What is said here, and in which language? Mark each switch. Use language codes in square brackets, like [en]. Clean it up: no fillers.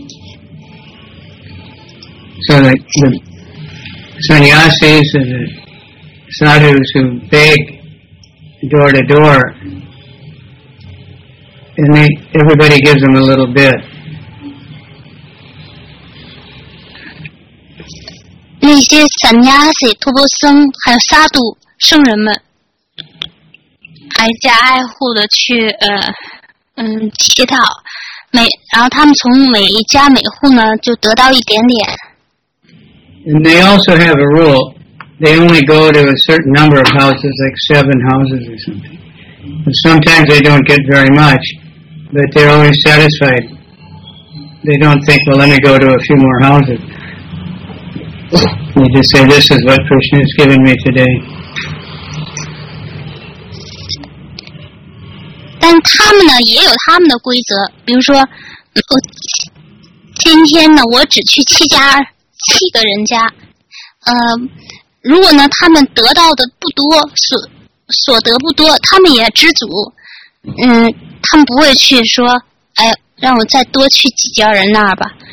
[en] So the sannyasis and the sadhus who beg door to door, and everybody gives them a little bit. [zh] 那些 sannyasi 托钵僧还有沙杜圣人们挨家挨户的去乞讨，然后他们从每一家每户呢就得到一点点。 [en] And they also have a rule. They only go to a certain number of houses, like 7 houses or something. And sometimes they don't get very much, but they're always satisfied. They don't think, well, let me go to a few more houses. You just say, this is what Krishna has given me today. [zh] 但他们呢也有他们的规则，比如说我今天呢我只去七个人家，如果呢他们得到的不多，所得不多，他们也知足，他们不会去说，哎，让我再多去几家人那儿吧。